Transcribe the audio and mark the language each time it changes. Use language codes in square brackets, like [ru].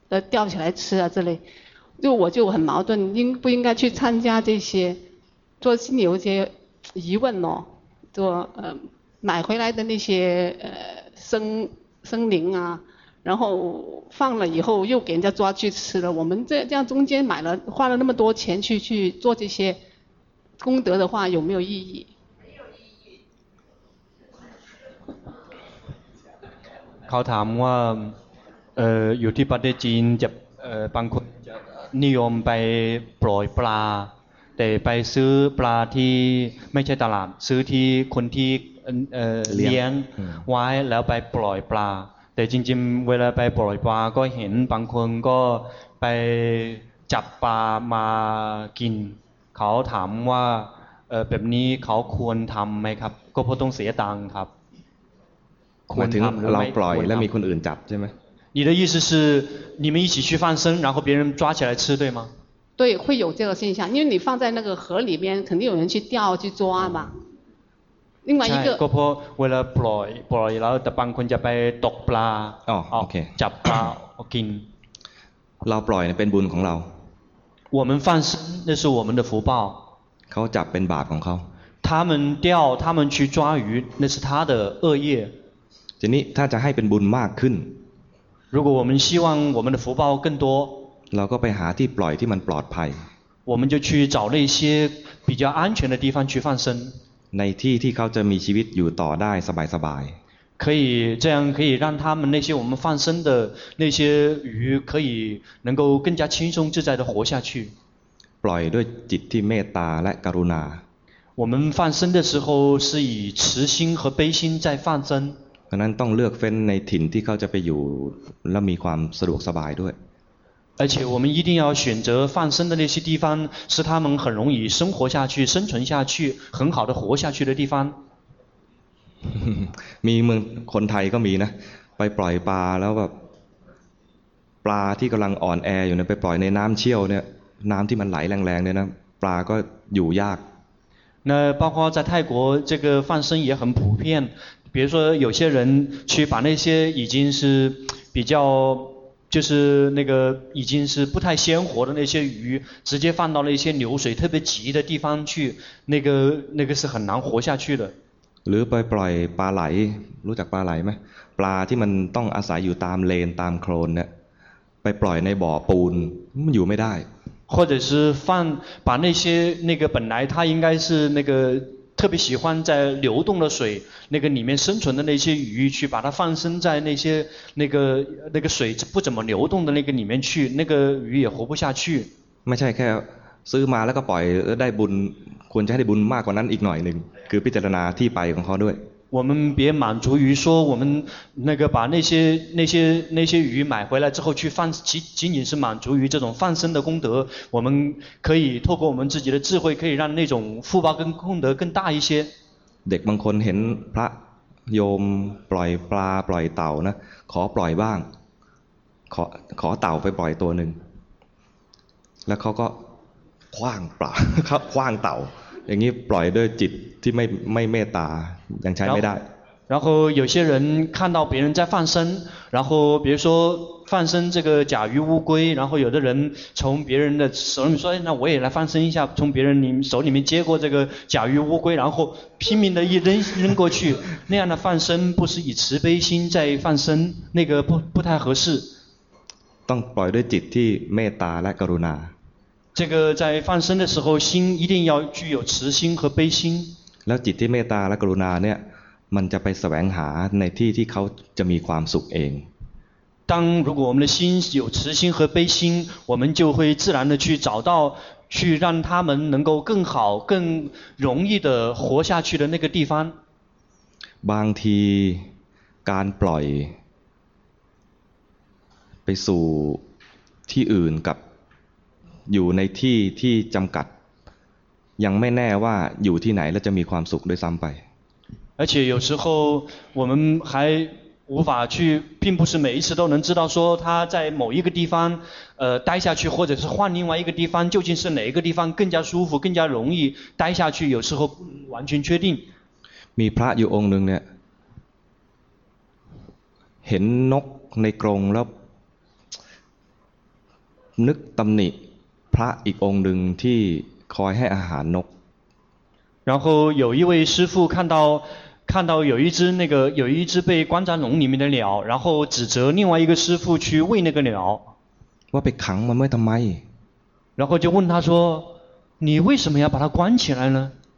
[zh] 钓起来吃啊之类，就我就很矛盾，应不应该去参加这些，做心里有些疑问咯，做买回来的那些生灵啊，然后放了以后又给人家抓去吃了，我们这样中间买了花了那么多钱去做这些功德的话，有没有意义？ [th] เขาถามว่า อยู่ที่ประเทศจีนจะบางคนจะนิยมไปปล่อยปลาแต่ไปซื้อปลาที่ไม่ใช่ตลาดซื้อที่คนที่เลี้ยงไว้แล้วไปปล่อยปลาแต่จริงๆเวลาไปปล่อยปลาก็เห็นบางคนก็ไปจับปลามากินเขาถามว่าแบบนี้เขาควรทำไหมครับก็เพราะต้องเสียตังค์ครับ หมายถึงเราปล่อยแล้วมีคนอื่นจับใช่ไหม [zh] 你的意思是你们一起去放生然后别人抓起来吃对吗对会有这个现象因为你放在那个河里面肯定有人去钓去抓嘛另外一个 [th] ก็เพราะเวลาปล่อยแล้วแต่บางคนจะไปตกปลา โอเค จับปลากิน เราปล่อยเป็นบุญของเรา [zh] 我们放生那是我们的福报 [th] เขาจับเป็นบาปของเขา [zh] 他们钓他们去抓鱼那是他的恶业 [th] ทีนี้ถ้าจะให้เป็นบุญมากขึ้น [zh] 如果我们希望我们的福报更多 [th] เราก็ไปหาที่ปล่อยที่มันปลอดภัย [zh] 我们就去找那些比较安全的地方去放生 [th] ในที่ที่เขาจะมีชีวิตอยู่ต่อได้สบาย [zh] ๆ可以这样可以让他们那些我们放生的那些鱼可以能够更加轻松自在的活下去 [th] ปล่อยด้วยจิตที่เมตตาและกรุณา [zh] 我们放生的时候是以慈心和悲心在放生 [th] เพราะนั้นต้องเลือกเฟ้นในถิ่นที่เขาจะไปอยู่และมีความสะดวกสบายด้วย [zh] 而且我们一定要选择放生的那些地方是他们很容易生活下去生存下去很好的活下去的地方 [th] มีเมืองคนไทยก็มีนะไปปล่อยปลาแล้วแบบปลาที่กําลังอ่อนแออยู่เนี่ยไปปล่อยในน้ําเชี่ยวเนี่ยน้ําที่มันไหลแรงๆเนี่ยนะปลาก็อยู่ยาก [zh] 那包括在泰国这个放生也很普遍比如说有些人去把那些已经是比较就是那个已经是不太鲜活的那些鱼直接放到那些流水特别急的地方去那个是很难活下去的 [th] หรือไปปล่อยปลาไหลรู้จักปลาไหลไหมปลาที่มันต้องอาศัยอยู่ตามเลนตามโคลนเนี่ยไปปล่อยในบ่อปูนมันอยู่ไม่ได้ [zh] 或者是放把那些那个本来它应该是那个特别喜欢在流动的水那个里面生存的那些鱼去把它放生在那些那个水不怎么流动的那个里面去那个鱼也活不下去 [th] ไม่ใช่แค่ซื้อมาแล้วก็ปล่อยได้บุญควรจะได้บุญมากกว่านั้นอีกหน่อยหนึ่งคือพิจารณาที่ไปของเขาด้วย [zh] 我们别满足于说我们那个把那些鱼买回来之后去放仅仅是满足于这种放生的功德我们可以透过我们自己的智慧可以让那种福报跟功德更大一些 [th] เด็กบางคนเห็นพระโยมปล่อยปลาปล่อยเต่านะขอปล่อยบ้างขอเต่าไปปล่อยตัวหนึ่งแล้วเขาก็คว้างปลาครับคว้างเต่าอย่างนี้ปล่อยด้วยจิตที่ไม่เมตตายังใช้ไม่ได้ [zh] 然后有些人看到别人在放生然后比如说放生这个甲鱼乌龟然后有的人从别人的手里面说那我也来放生一下从别人手里面接过这个甲鱼乌龟然后拼命的一扔过去那样的放生不是以慈悲心在放生那个不太合适 [th] ต้องปล่อยด้วยจิตที่เมตตาและกรุณา [zh] 这个在放生的时候心一定要具有慈心和悲心 [th] แล้วจิตที่เมตตาและกรุณาเนี่ยมันจะไปแสวงหาในที่ที่เขาจะมีความสุขเอง [zh] 当如果我们的心有慈心和悲心我们就会自然的去找到去让他们能够更好更容易的活下去的那个地方 [th] บางทีการปล่อยไปสู่ที่อื่นกับอยู่ในที่ที่จำกัดยังไม่แน่ว่าอยู่ที่ไหนแล้วจะมีความสุขด้วยซ้ำไป [zh] 而且有时候我们还无法去，并不是每一次都能知道说他在某一个地方待下去，或者是换另外一个地方，究竟是哪一个地方更加舒服，更加容易待下去，有时候不能完全确定。 [th] มีพระอยู่องค์นึงเนี่ยเห็นนกในกรงแล้วนึกตำหนิพระอีกองค์นึงที่คอยให้อาหารนก [zh] 然后有一位师父看到有一只那个有一只被关在笼里面的鸟，然后指责另外一个师父去喂那个鸟。 [th] ว่าไปขังมันไม่ทำไม？ [zh] 然后就问他说：“你为什么要把它关起来呢？”